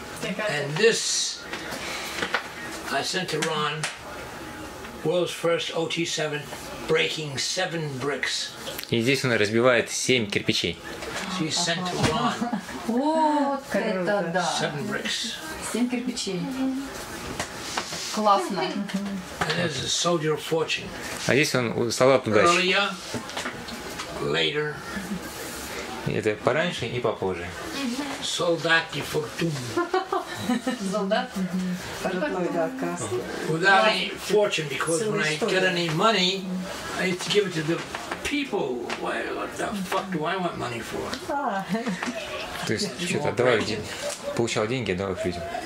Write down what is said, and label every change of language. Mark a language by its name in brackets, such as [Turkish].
[English] And this I sent to Ron world's first OT7 breaking 7 bricks. [Russian] И здесь он разбивает 7 кирпичей. [English] So you sent to Ron. [Russian] Вот это да. [English] 7 bricks. [Russian] 7 кирпичей. Классно. [English] And there's a soldier of fortune. [Russian] А здесь он солдат удачи. [English] Earlier, later. [Russian] Это пораньше и попозже. Солдат и фортуна. Солдат. [English] Without any fortune, because when I get any money, I have to give it to the people. Why, what the fuck do I want money for? [Russian] То есть что-то давай деньги. Получал деньги, давай людям.